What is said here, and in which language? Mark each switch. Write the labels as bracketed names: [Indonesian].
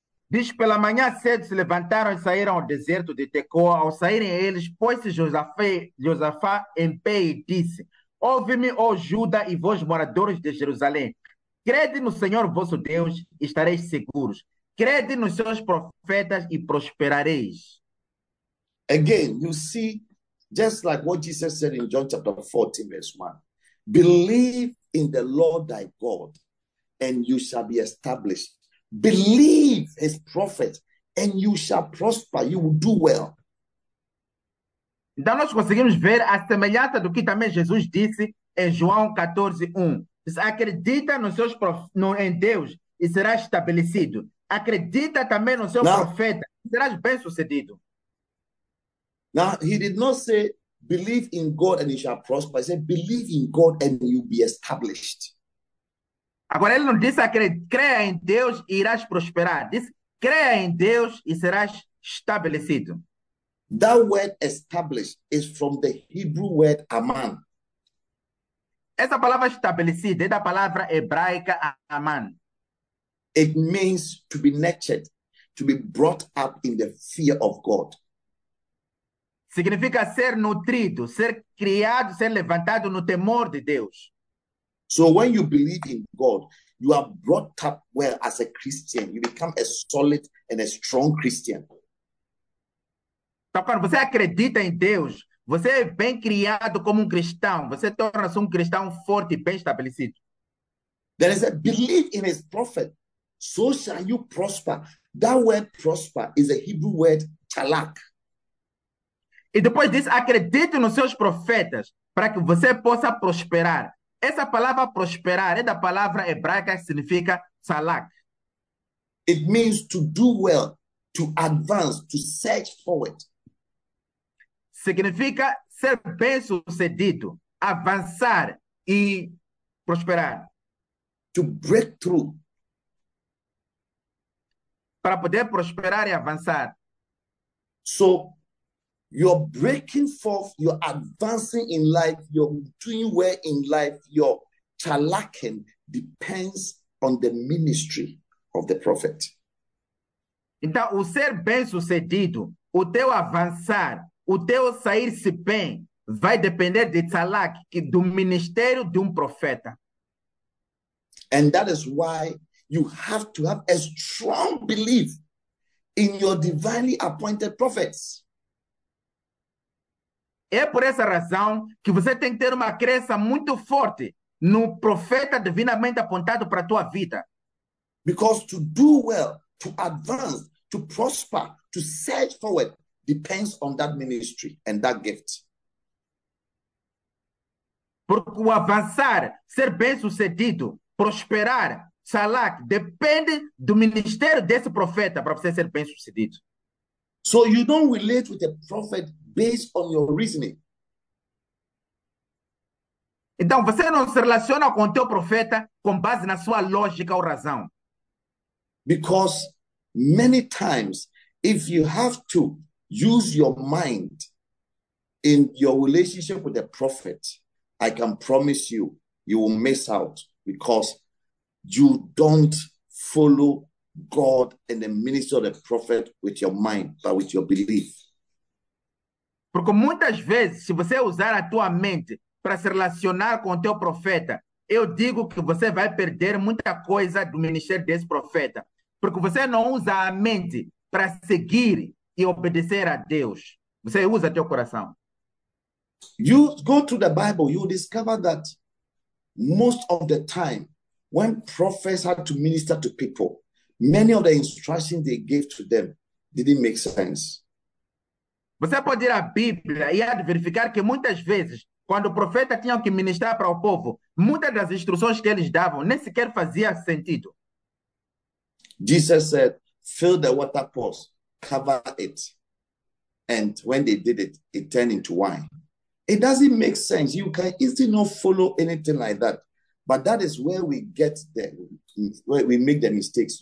[Portuguese] Diz, pela manhã cedo se levantaram e saíram ao deserto de Tekoa. Ao saírem eles, pôs-se Josafá em pé e disse, ouve-me, ó Judá e vós moradores de Jerusalém. Crede no Senhor vosso Deus e estareis seguros. Crede nos seus profetas e prosperareis. [English] Again, you see, just like what Jesus said in John chapter 14, verse 1. Believe in the Lord thy God, and you shall be established. Believe his prophet, and you shall prosper. You will do well. [Portuguese] Então nós conseguimos ver a semelhança do que também Jesus disse em João 14:1. Acredita nos seus em Deus e será estabelecido. Acredita também no seu profeta e serás bem-sucedido. [English] Now, he did not say, believe in God and you shall prosper. He said, believe in God and you'll be established. [Portuguese] Agora, ele não disse, creia em Deus e irás prosperar. Disse, creia em Deus e serás estabelecido. [English] That word established is from the Hebrew word aman. [Portuguese] Essa palavra estabelecida é da palavra hebraica aman. [English] It means to be nurtured, to be brought up in the fear of God. [Portuguese] Significa ser nutrido, ser criado, ser levantado no temor de Deus. [English] So when you believe in God, you are brought up well as a Christian. You become a solid and a strong Christian. [Portuguese] Então, quando você acredita em Deus, você é bem criado como cristão. Você torna-se cristão forte e bem estabelecido. [English] There is a belief in his prophet. So shall you prosper. That word prosper is a Hebrew word chalak. [Portuguese] E depois diz, acredite nos seus profetas. para que você possa prosperar. Essa palavra prosperar é da palavra hebraica que significa salak. [English] It means to do well, to advance, to search forward. [Portuguese] Significa ser bem-sucedido, avançar e prosperar. [English] To break through. [Portuguese] Para poder prosperar e avançar. [English] So, you're breaking forth, you're advancing in life, you're doing well in life, your chalaken depends on the ministry of the prophet. [Portuguese] Então, o ser bem-sucedido, o teu avançar, o teu sair-se bem, vai depender de Tzalak, do ministério de um profeta. [English] And that is why you have to have a strong belief in your divinely appointed prophets. [Portuguese] É por essa razão que você tem que ter uma crença muito forte no profeta divinamente apontado para a tua vida. [English] Because to do well, to advance, to prosper, to search forward depends on that ministry and that gift. [Portuguese] Porque o avançar, ser bem-sucedido, prosperar, salak, depende do ministério desse profeta para você ser bem-sucedido. [English] So you don't relate with the prophet based on your reasoning. [Portuguese] Então, você não se relaciona com o teu profeta com base na sua lógica ou razão. [English] Because many times, if you have to use your mind in your relationship with the prophet, I can promise you, you will miss out because you don't follow God and the ministry of the prophet with your mind, but with your belief. [Portuguese] Porque muitas vezes, se você usar a tua mente para se relacionar com o teu profeta, eu digo que você vai perder muita coisa do ministério desse profeta. Porque você não usa a mente para seguir e obedecer a Deus. Você usa teu coração. [English] You go to the Bible, you discover that most of the time, when prophets had to minister to people, many of the instructions they gave to them didn't make sense. [Portuguese] Você pode ir à Bíblia e verificar que muitas vezes, quando o profeta tinha que ministrar para o povo, muitas das instruções que eles davam nem sequer fazia sentido. [English] Jesus said, "Fill the water pots, cover it." And when they did it, it turned into wine. It doesn't make sense. You can easily not follow anything like that. But that is where we get where we make the mistakes.